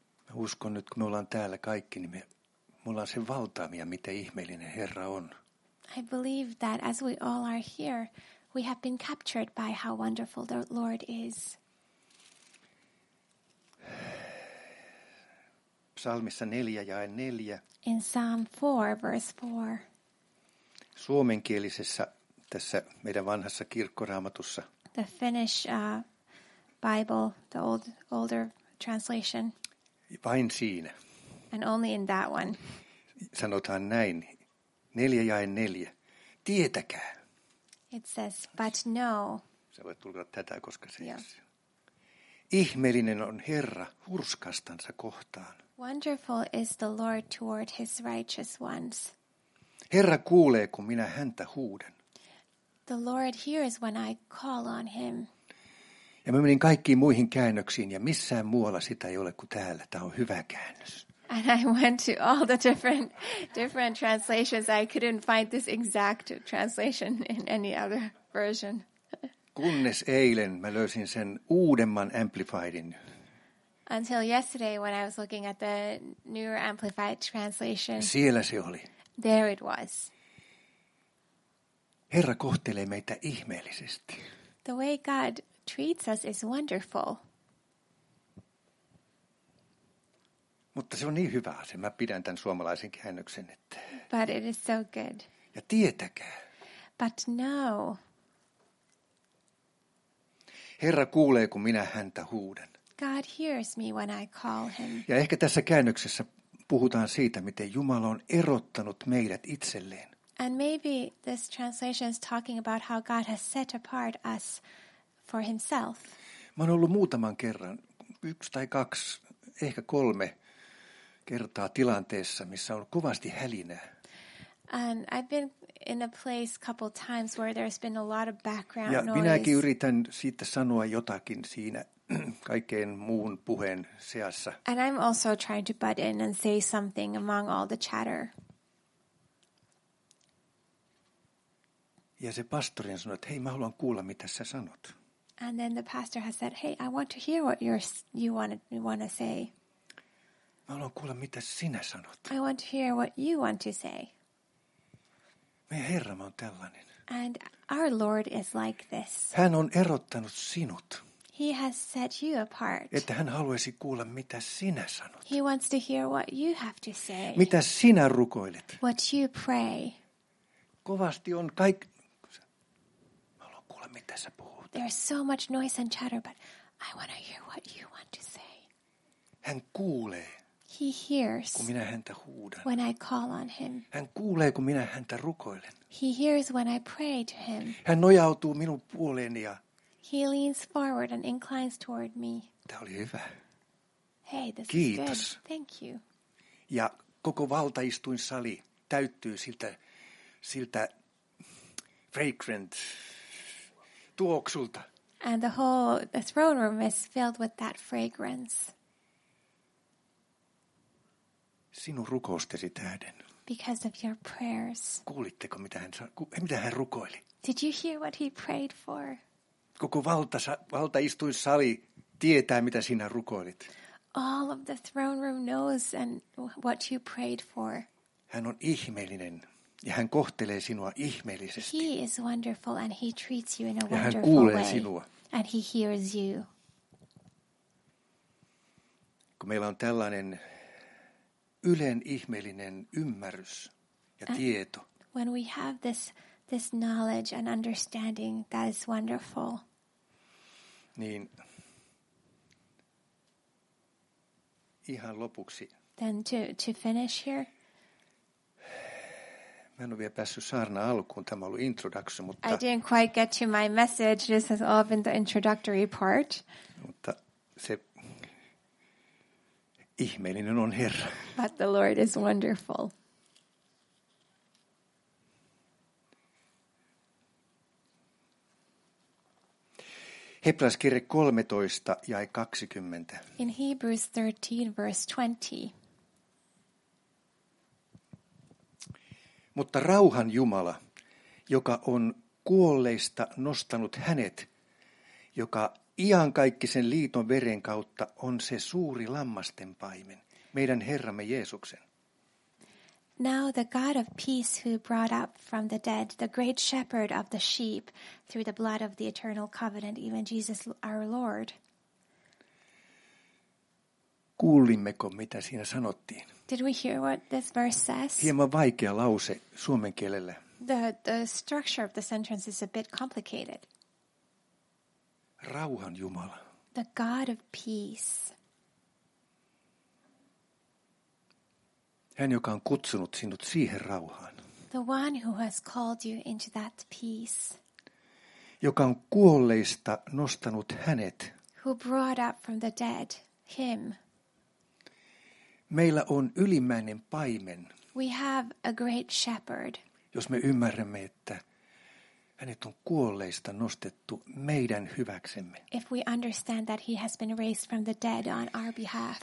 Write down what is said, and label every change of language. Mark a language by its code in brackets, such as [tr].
[fi] Mä uskon nyt, kun me ollaan täällä kaikki, niin me ollaan sen valtaamia, mitä ihmeellinen Herra on. [en] I believe that as we all are here, we have been captured by how wonderful the Lord is. [fi] Psalmissa 4:4. [en] In Psalm 4, verse 4. [fi] Suomenkielisessä tässä meidän vanhassa kirkkoraamatussa. [en] The Finnish Bible, the older translation. [fi] Vain siinä. [en] And only in that one. [fi] Sanotaan näin. 4:4. Tietäkää. [en] It says, but know. [fi] Sä voit tulkita tätä, koska se yeah. Ihmeellinen on Herra hurskastansa kohtaan. [en] Wonderful is the Lord toward his righteous ones. [fi] Herra kuulee, kun minä häntä huudan. [en] The Lord hears when I call on him. [fi] Ja mä menin kaikkiin muihin käännöksiin ja missään muualla sitä ei ole kuin täällä. Tämä on hyvä käännös. [en] And I went to all the different translations. I couldn't find this exact translation in any other version. [fi] Kunnes eilen mä löysin sen uudemman Amplifiedin. [en] Until yesterday when I was looking at the newer Amplified translation. [fi] Siellä se oli. [en] There it was. [fi] Herra kohtelee meitä ihmeellisesti. [en] The way God treats us is wonderful. [fi] Mutta se on niin hyvä asia. Mä pidän tämän suomalaisen käännöksen. Että... [en] But it is so good. [fi] Ja tietäkää. [en] But know. [fi] Herra kuulee, kun minä häntä huudan. [en] God hears me when I call him. [fi] Ja ehkä tässä käännöksessä puhutaan siitä, miten Jumala on erottanut meidät itselleen. [en] And maybe this translation is talking about how God has set apart us for himself. [fi] Mä oon ollut muutaman kerran, yksi tai kaksi, ehkä kolme kertaa tilanteessa, missä on kovasti hälinää. [en] And I've been in a place couple times where there's been a lot of background [fi] ja [en] noise. [fi] Minäkin yritän siitä sanoa jotakin siinä kaikkeen muun puheen seassa. [en] And I'm also trying to butt in and say something among all the chatter. [fi] Ja se pastori on sanonut, että hei, mä haluan kuulla, mitä sä sanot. [en] And then the pastor has said, hey, I want to hear what you want to say. [fi] Mä haluan kuulla, mitä sinä sanot. [en] I want to hear what you want to say. [fi] Meidän Herramme on tällainen. [en] And our Lord is like this. [fi] Hän on erottanut sinut. [en] He has set you apart. [fi] Että hän haluaisi kuulla, mitä sinä sanot. [en] He wants to hear what you have to say. [fi] Mitä sinä rukoilet. [en] What you pray. [fi] Kovasti on kaikki... Tässä puhut. [en] There's so much noise and chatter, but I want to hear what you want to say. [fi] Hän kuulee. [en] He hears. [fi] Kun minä häntä huudan. [en] When I call on him. [fi] Hän kuulee, kun minä häntä rukoilen. [en] He hears when I pray to him. [fi] Hän nojautuu minun puoleeni ja. [en] He leans forward and inclines toward me. [fi] Tämä oli hyvä. [en] Hey, this [fi] Kiitos. [en] Is good. Thank you. [fi] Ja koko valtaistuin sali täyttyy siltä [en] fragrant. [fi] Tuoksulta. [en] And the throne room is filled with that fragrance. [fi] Sinun rukoustesi tähden. [en] Because of your prayers. [fi] Kuulitteko mitä hän rukoili? [en] Did you hear what he prayed for? [fi] Koko valtaistuin sali tietää mitä sinä rukoilit. [en] All of the throne room knows and what you prayed for. [fi] Hän on ihmeellinen. Ja hän kohtelee sinua ihmeellisesti. [en] He is wonderful and he treats you in a wonderful way. [fi] Ja hän kuulee sinua. [en] And he hears you. [fi] Kun meillä on tällainen ylen ihmeellinen ymmärrys ja tieto. [en] When we have this knowledge and understanding that is wonderful. [fi] Niin ihan lopuksi. [en] Then to finish here. [fi] Mä en ole vielä päässyt saarna alkuun. Tämä on ollut [en] introduction, [fi] mutta... [en] I didn't quite get to my message. This has all been the introductory part. [fi] Mutta se ihmeellinen on Herra. [en] But the Lord is wonderful. [fi] Hebraiskirje 13 ja 20. [en] In Hebrews 13, verse 20. [fi] Mutta rauhan Jumala, joka on kuolleista nostanut hänet, joka iankaikkisen liiton veren kautta on se suuri lammasten paimen, meidän Herramme Jeesuksen. [en] Now the God of peace who brought up from the dead the great shepherd of the sheep through the blood of the eternal covenant, even Jesus our Lord. [fi] Kuulimmeko, mitä siinä sanottiin? [en] Did we hear what this verse says? [fi] Hieman vaikea lause suomen kielellä. [en] The structure of the sentence is a bit complicated. [fi] Rauhan Jumala. [en] The God of peace. [fi] Hän, joka on kutsunut sinut siihen rauhaan. [en] The one who has called you into that peace. [fi] Joka on kuolleista nostanut hänet. [en] Who brought up from the dead him. [fi] Meillä on ylimmäinen paimen. [en] We have a great shepherd. [fi] Jos me ymmärrämme, että hänet on kuolleista nostettu meidän hyväksemme. [en] If we understand that he has been raised from the dead on our behalf.